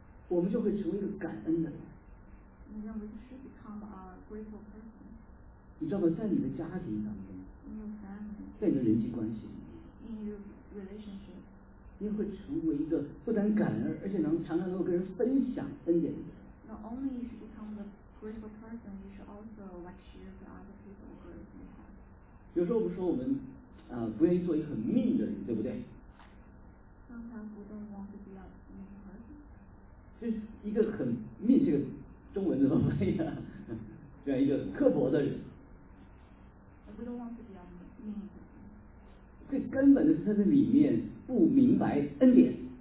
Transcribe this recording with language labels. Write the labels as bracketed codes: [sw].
[zh] 我们就会成为一个感恩的人。你知道吗？在你的家庭当中，在你的人际关系里，你会成为一个不但感恩，而且能常常能够跟人分享恩典的人。 [en] Not only you should become the grateful person, you should also like share to other people the grace you have. [zh] 有时候我们说我们不愿意做一个很 mean 的人，对不对？ [en] Sometimes we don't want to be a mean person. [zh] 就是一个很 mean， 这个中文怎么翻译啊？这样一个刻薄的人。 [en] We don't want to be a mean person. [zh] 最根本的是他的里面不明白恩典。